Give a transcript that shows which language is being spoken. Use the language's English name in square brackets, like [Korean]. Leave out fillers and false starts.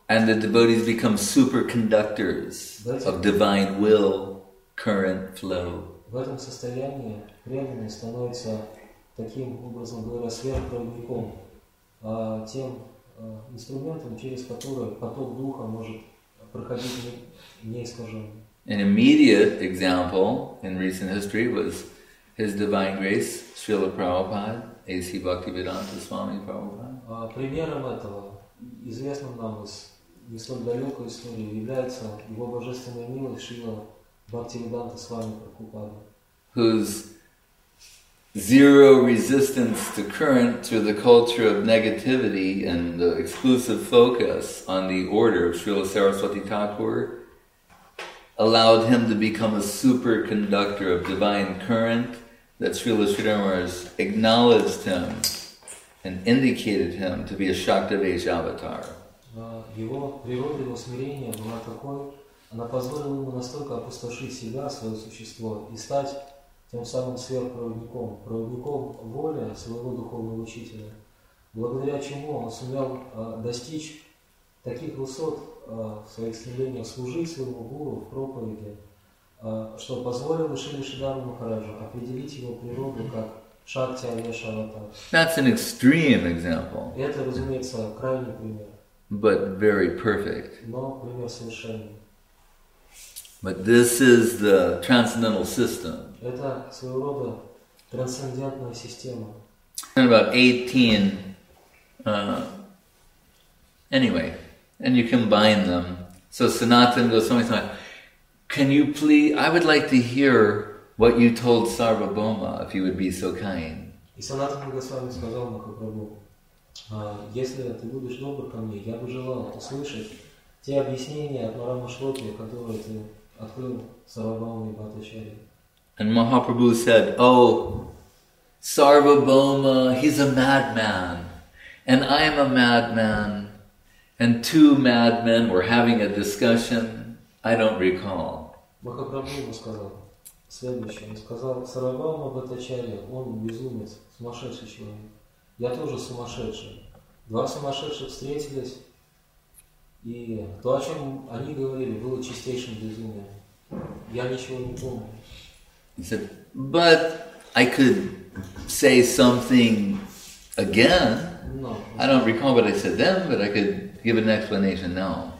[English] And the devotees become superconductors of divine will, current flow. [Russian] В этом состоянии преданный становится таким образом говоря сверхпроводником, тем инструментом, через который поток духа может проходить неискаженно. [English] An immediate example in recent history was His Divine Grace, Srila Prabhupada, A.C. Bhaktivedanta Swami Prabhupada. [Russian] Примером этого, известным нам из не столь далекой истории, является его божественная милость Шрила Бхактивиданта Свами Прабхупада. [English] Whose zero resistance to current through the culture of negativity and the exclusive focus on the order of Srila Saraswati Thakur allowed him to become a superconductor of divine current that Srila Sridhar Maharaj acknowledged him and indicated him to be a Shaktivesha avatar. [Russian] Его природа, его смирение была такой, она позволила ему настолько опустошить себя, свое существо, и стать тем самым сверхпроводником, проводником воли своего духовного учителя, благодаря чему он сумел достичь таких высот в своих стремлениях служить своему гуру в проповеди, что позволило Шри Шридхара Махараджу определить его природу как Шакти Алеша Аватар. [English] That's an extreme example. [Russian] Это, разумеется, крайний пример. [English] But very perfect. [Russian] Но пример совершенный. [English] But this is the transcendental system. [Russian] Это своего рода трансцендентная система. [English] And about 18, anyway, and you combine them. So Sanatana Goswami said, Can you please, I would like to hear what you told Sarvabhauma, if you would be so kind. [Russian] И Санатана Госвами сказал Махапрабху, если ты будешь добр ко мне, я бы желал услышать те объяснения от Марама Шлоки, которые ты открыл Сарвабхауме и Бхатачари. [English] And Mahaprabhu said, oh, Sarvabhauma, he's a madman, and I am a madman, and two madmen were having a discussion. I don't recall. [Russian] Махапрабху ему сказал следующее. Он сказал, Сарвабхаума Бхаттачарья, он безумец, сумасшедший человек. Я тоже сумасшедший. Два сумасшедших встретились, и то, о чем они говорили, было чистейшим безумием. Я ничего не помню. [English] He said, but I could say something again. No. I don't recall what I said then, but I could give an explanation now.